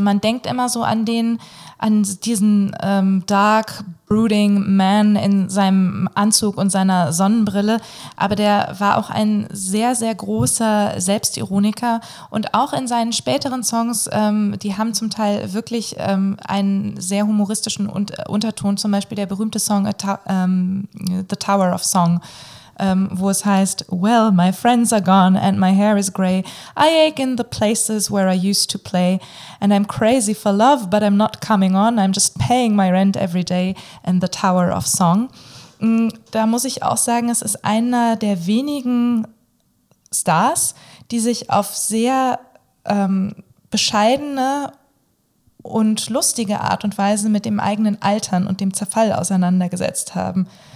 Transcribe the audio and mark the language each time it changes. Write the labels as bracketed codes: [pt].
[de] Man denkt immer so an den, an diesen [en] dark, brooding man [de] in seinem Anzug und seiner Sonnenbrille. Aber der war auch ein sehr, sehr großer Selbstironiker. Und auch in seinen späteren Songs, die haben zum Teil wirklich einen sehr humoristischen Unterton. Zum Beispiel der berühmte Song The Tower of Song. Wo es heißt, [en] well, my friends are gone and my hair is gray. I ache in the places where I used to play. And I'm crazy for love, but I'm not coming on. I'm just paying my rent every day in the Tower of Song. [de] Da muss ich auch sagen, es ist einer der wenigen Stars, die sich auf sehr bescheidene und lustige Art und Weise mit dem eigenen Altern und dem Zerfall auseinandergesetzt haben.